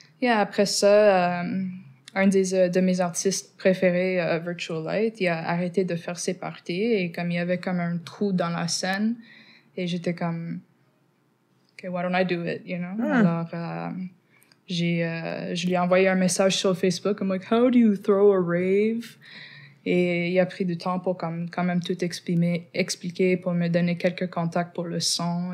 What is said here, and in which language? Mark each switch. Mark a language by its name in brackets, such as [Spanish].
[French] Après ça, un de mes artistes préférés, Virtual Light, il a arrêté de faire ses parties et comme il y avait comme un trou dans la scène et j'étais comme, [English] OK, why don't I do it, you know? [French] Mm. Alors... je lui ai envoyé un message sur Facebook. [English] I'm like, how do you throw a rave? [French] Et il a pris du temps pour quand même tout expliquer, pour me donner quelques contacts pour le son.